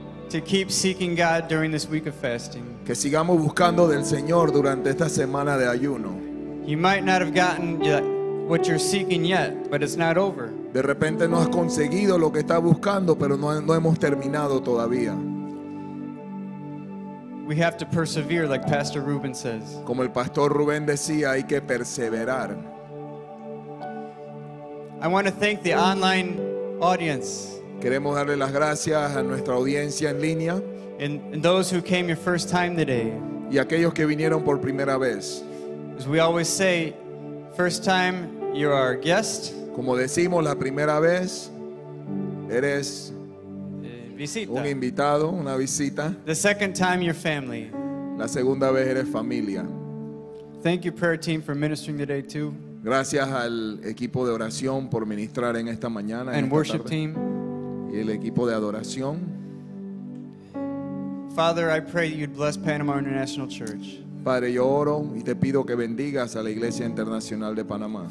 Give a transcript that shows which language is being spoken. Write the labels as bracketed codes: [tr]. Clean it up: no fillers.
[en] To keep seeking God during this week of fasting. [es] Que sigamos buscando del Señor durante esta semana de ayuno. [en] You might not have gotten what you're seeking yet, but it's not over. [es] De repente no has conseguido lo que estás buscando, pero no hemos terminado todavía. [en] We have to persevere, like Pastor Ruben says. [es] Como el Pastor Ruben decía, hay que perseverar. [en] I want to thank the online audience. [es] Queremos darle las gracias a nuestra audiencia en línea. [en] And those who came your first time today. [es] Y aquellos que vinieron por primera vez. [en] As we always say, first time you're our guest. [es] Como decimos, la primera vez eres visita. Un invitado, una visita. [en] The second time you're family. [es] La segunda vez eres familia. [en] Thank you, prayer team, for ministering today too. [es] Gracias al equipo de oración por ministrar en esta mañana. [en] And worship team. [es] Y el equipo de adoración. [en] Father, I pray you'd bless Panama International Church. [es] Padre, yo oro y te pido que bendigas a la Iglesia Internacional de Panamá.